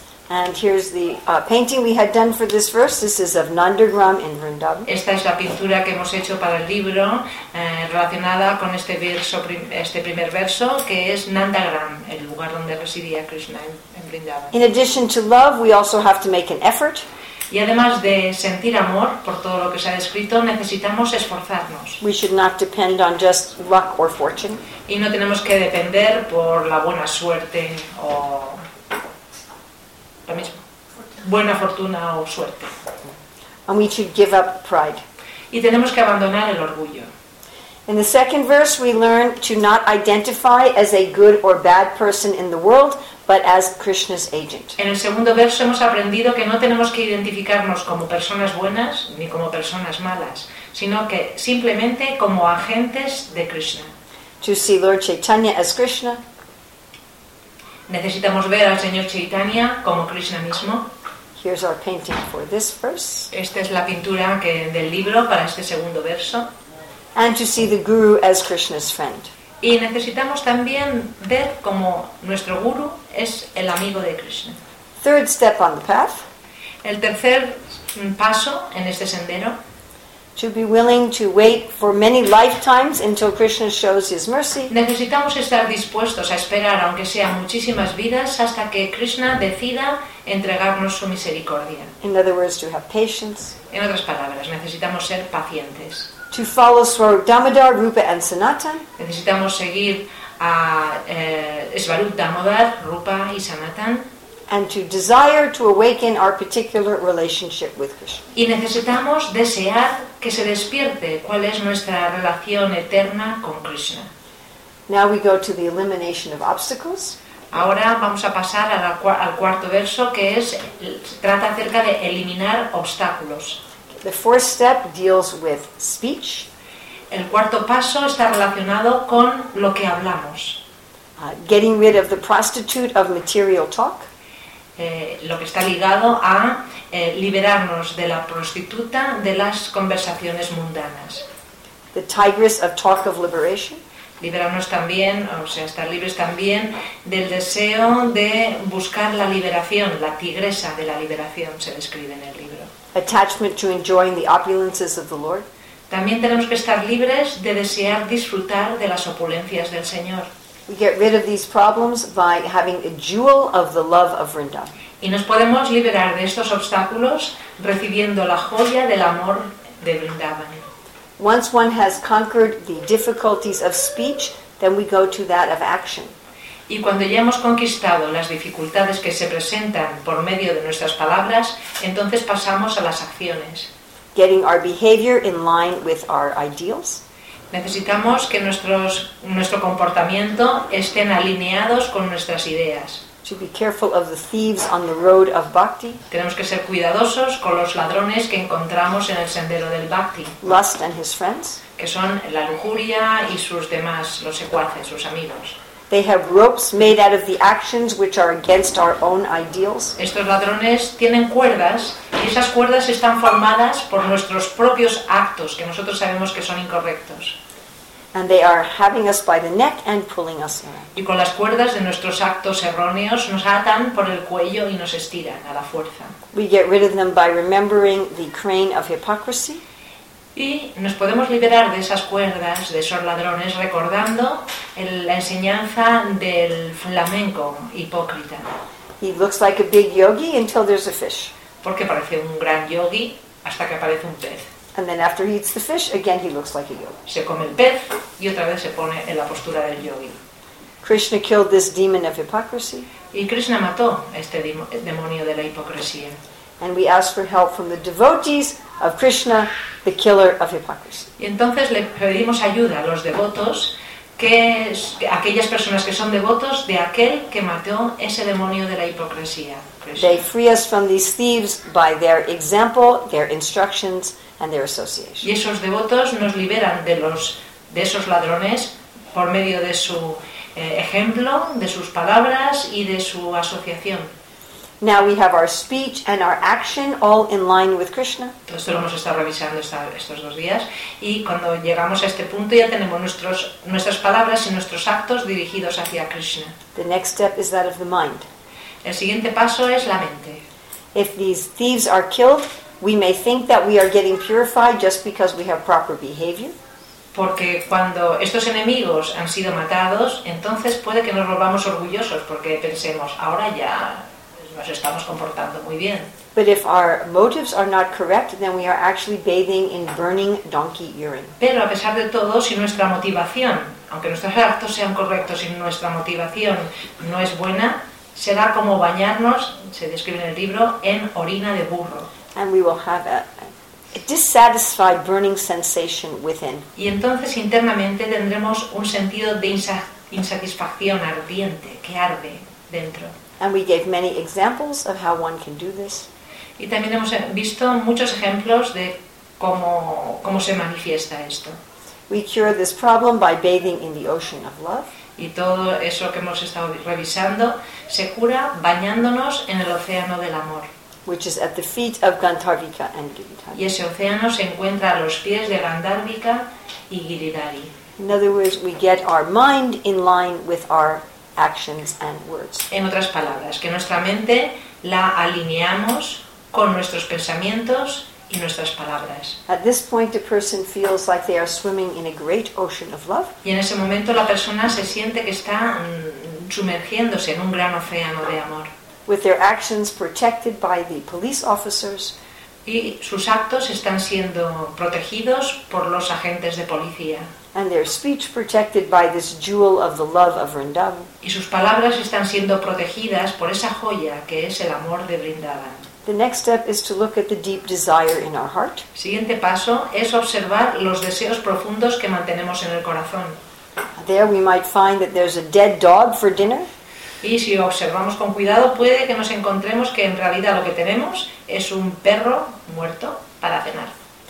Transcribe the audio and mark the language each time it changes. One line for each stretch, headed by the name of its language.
English: And here's the painting we had done for this verse. This is of Nandagram in Vrindavan.
Spanish: Esta es la pintura que hemos hecho para el libro relacionada con este verso, este primer verso, que es Nandagram, el lugar donde residía Krishna en Vrindavan.
English: In addition to love, we also have to make an effort.
Spanish: Y además de sentir amor por todo lo que se ha descrito, necesitamos esforzarnos.
English: We should not depend on just luck or fortune.
Spanish: Y no tenemos que depender por la buena suerte o la misma buena fortuna o suerte.
English: And we should give up pride.
Spanish: Y tenemos que abandonar el orgullo.
English: In the second verse, we learn to not identify as a good or bad person in the world, but as Krishna's agent.
Spanish: En el segundo verso hemos aprendido que no tenemos que identificarnos como personas buenas ni como personas malas, sino que simplemente como agentes de Krishna.
English: To see Lord Chaitanya as Krishna.
Spanish: Necesitamos ver al Señor Chaitanya como Krishna mismo.
English: Here's our painting for this verse.
Spanish: Esta es la pintura que, del libro para este segundo verso.
English: And to see the guru as Krishna's friend.
Spanish: Y necesitamos también ver cómo nuestro guru es el amigo de Krishna.
English: Third step on the path.
Spanish: El tercer paso en este sendero.
English: To be willing to wait for many lifetimes until Krishna shows his mercy.
Spanish: Necesitamos estar dispuestos a esperar, aunque sea muchísimas vidas, hasta que Krishna decida entregarnos su misericordia.
English: In other words, to have patience.
Spanish: En otras palabras, necesitamos ser pacientes.
English: To follow Swarup Damodar, Rupa and Sanatan.
Spanish: Necesitamos seguir a Swarup Damodar, Rupa y Sanatan.
English: And to desire to awaken our particular relationship with Krishna.
Spanish: Y necesitamos desear que se despierte cuál es nuestra relación eterna con Krishna.
English: Now we go to the elimination of obstacles.
Spanish: Ahora vamos a pasar al cuarto verso, que es trata acerca de eliminar obstáculos.
English: The fourth step deals with speech.
Spanish: El cuarto paso está relacionado con lo que hablamos.
English: Getting rid of the prostitute of material talk.
Spanish: Lo que está ligado a liberarnos de la prostituta de las conversaciones mundanas.
English: The tigress of talk of liberation.
Spanish: Liberarnos también, o sea, estar libres también del deseo de buscar la liberación, la tigresa de la liberación se describe en el libro.
English: Attachment to enjoying the opulences of the Lord.
Spanish: También tenemos que estar libres de desear disfrutar de las opulencias del Señor.
English: We get rid of these problems by having a jewel of the love of Vrindavan.
Spanish: Y nos podemos liberar de estos obstáculos recibiendo la joya del amor de Vrindavan.
English: Once one has conquered the difficulties of speech, then we go to that of action.
Spanish: Y cuando ya hemos conquistado las dificultades que se presentan por medio de nuestras palabras, entonces pasamos a las acciones.
English: Getting our behavior in line with our ideals.
Spanish: Necesitamos que nuestro comportamiento estén alineados con nuestras ideas.
English: To be careful of the thieves on the road of bhakti.
Spanish: Tenemos que ser cuidadosos con los ladrones que encontramos en el sendero del bhakti.
English: Lust and his friends.
Spanish: Que son la lujuria y sus demás, los secuaces, sus amigos.
English: They have ropes made out of the actions which are against our own ideals.
Spanish: Estos ladrones tienen cuerdas y esas cuerdas están formadas por nuestros propios actos que nosotros sabemos que son incorrectos.
English: And they are having us by the neck and pulling us around.
Spanish: Y con las cuerdas de nuestros actos erróneos nos atan por el cuello y nos estiran a la fuerza.
English: We get rid of them by remembering the crane of hypocrisy.
Spanish: Y nos podemos liberar de esas cuerdas, de esos ladrones, recordando la enseñanza del flamenco hipócrita.
English: He looks like a big yogi until there's a fish.
Spanish: Porque parece un gran yogi hasta que aparece un pez.
English: And then after he eats the fish, again he looks like a yogi.
Spanish: Se come el pez y otra vez se pone en la postura del yogi.
English: Krishna killed this demon of hypocrisy.
Spanish: Y Krishna mató este demonio de la hipocresía.
English: And we ask for help from the devotees of Krishna, the killer of hypocrisy.
Spanish: Y entonces le pedimos ayuda a los devotos, aquellas personas que son devotos de aquel que mató ese demonio de la hipocresía.
English: Krishna. They free us from these thieves by their example, their instructions, and their association.
Spanish: Y esos devotos nos liberan de esos ladrones por medio de su ejemplo, de sus palabras y de su asociación.
English: Now we have our speech and our action all in line with Krishna.
Spanish: Todo esto lo hemos estado revisando estos dos días. Y cuando llegamos a este punto ya tenemos nuestras palabras y nuestros actos dirigidos hacia Krishna.
English: The next step is that of the mind.
Spanish: El siguiente paso es la mente.
English: If these thieves are killed, we may think that we are getting purified just because we have proper behavior.
Spanish: Porque cuando estos enemigos han sido matados, entonces puede que nos volvamos orgullosos porque pensemos, ahora ya nos estamos comportando muy bien.
English: But if our motives are not correct, then we are actually bathing in burning donkey urine.
Spanish: Pero a pesar de todo, si nuestra motivación, aunque nuestros actos sean correctos, si nuestra motivación no es buena, será como bañarnos, se describe en el libro, en orina de burro.
English: And we will have a dissatisfied burning sensation within.
Spanish: Y entonces internamente tendremos un sentido de insatisfacción ardiente, que arde dentro.
English: And we gave many examples of how one can do this.
Spanish: Y también hemos visto muchos ejemplos de cómo se manifiesta esto.
English: We cure this problem by bathing in the ocean of love.
Spanish: Y todo eso que hemos estado revisando se cura bañándonos en el océano del amor.
English: Which is at the feet of Gandharvika and Giridhari.
Spanish: Y ese océano se encuentra a los pies de Gandharvika y Giridhari.
English: In other words, we get our mind in line with our actions and words.
Spanish: En otras palabras, que nuestra mente la alineamos con nuestros pensamientos y nuestras palabras.
English: At this point, the person feels like they are swimming in a great ocean of love.
Spanish: Y en ese momento la persona se siente que está sumergiéndose en un gran océano de amor.
English: With their actions protected by the police officers.
Spanish: Y sus actos están siendo protegidos por los agentes de policía.
English: And their speech protected by this jewel of the love of Vrindavan.
Spanish: Y sus palabras están siendo protegidas por esa joya que es el amor de Vrindavan.
English: The next step is to look at the deep desire in our heart.
Spanish: Siguiente paso es observar los deseos profundos que mantenemos en el corazón.
English: There we might find that there's a dead dog for dinner.
Spanish: Y si observamos con cuidado, puede que nos encontremos que en realidad lo que tenemos es un perro muerto para cenar.